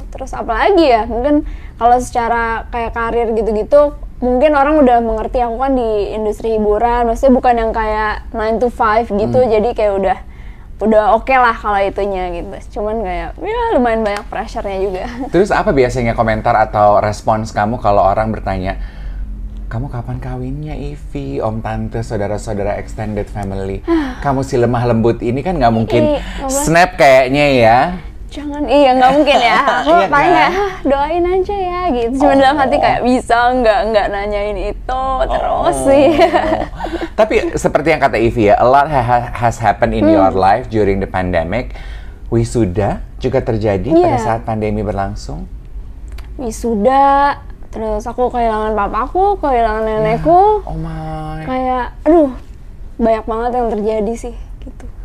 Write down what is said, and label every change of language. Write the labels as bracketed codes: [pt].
[id] Terus apalagi ya, mungkin kalau secara kayak karir gitu-gitu, mungkin orang udah mengerti aku kan di industri hiburan, maksudnya bukan yang kayak 9 to 5 gitu. Jadi kayak udah oke lah kalau itunya gitu. Cuman kayak ya lumayan banyak pressure-nya juga. Terus apa biasanya komentar atau respons kamu kalau orang bertanya, kamu kapan kawinnya, Ivy? Om, tante, saudara-saudara, extended family. Kamu si lemah lembut ini kan nggak mungkin snap kayaknya ya. Jangan, iya nggak mungkin ya. Doain aja ya gitu. Cuman dalam hati kayak bisa nggak nanyain itu terus sih. Tapi seperti yang kata Ivy ya, [en] a lot has happened in your life during the pandemic. [id] Wisuda juga terjadi pada saat pandemi berlangsung. Wisuda. Terus aku kehilangan papaku, kehilangan nenekku. [en] Oh my. [id] Kayak, aduh, banyak banget yang terjadi sih, gitu.